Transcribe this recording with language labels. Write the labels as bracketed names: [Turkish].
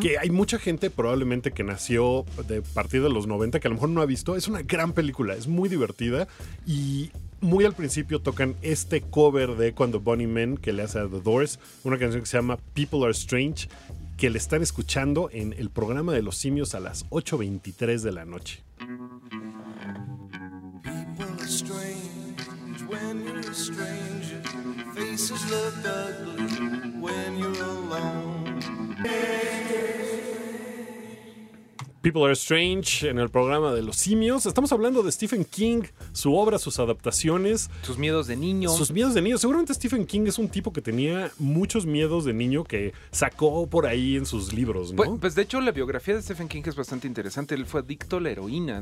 [Spanish] Que hay mucha gente probablemente que nació de partir de los 90, que a lo mejor no ha visto. Es una gran película, es muy divertida y... Muy al principio tocan este cover de cuando Bonnie Man, que le hace a The Doors, una canción que se llama People Are Strange, que le están escuchando en el programa de Los Simios a las 8:23 de la noche. [English] People are strange when you're a stranger. Faces look ugly when you're alone. [Spanish] People Are Strange, en el programa de Los Simios. Estamos hablando de Stephen King, su obra, sus adaptaciones. Sus miedos de niño. Sus miedos de niño. Seguramente Stephen King es un tipo que tenía muchos miedos de niño que sacó por ahí en sus libros, ¿no? Pues de hecho, la biografía de Stephen King es bastante interesante. Él fue adicto a la heroína.